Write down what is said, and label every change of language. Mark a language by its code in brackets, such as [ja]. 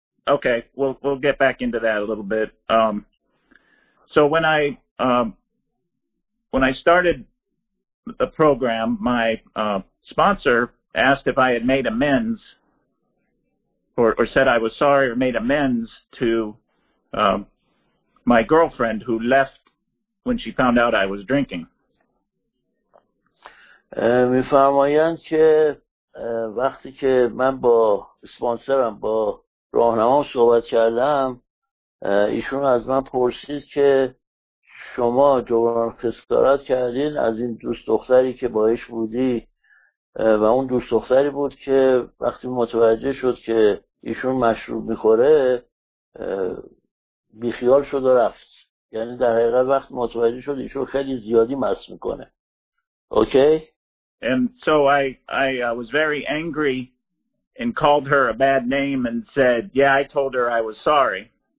[en] Okay, we'll get back into that a little bit. So when I started the program, my sponsor asked if I had made amends. Or said I was sorry or made amends to my girlfriend who left when she found out I was drinking. [fa] می فرمایند که وقتی که من با سپانسرم با راهنمام صحبت کردم، ایشون از من پرسید که شما جبران خسارت کردین از این دوست دختری که باهاش بودی، و اون دوست دختری بود که وقتی متوجه شد که ایشون مشروب میخوره بیخیال شد و رفت. یعنی در حقیقت وقت متوجه شد ایشون خیلی زیادی مست میکنه. [en] Okay? And so I was very angry and called her a bad name and said, yeah, I told her I was sorry.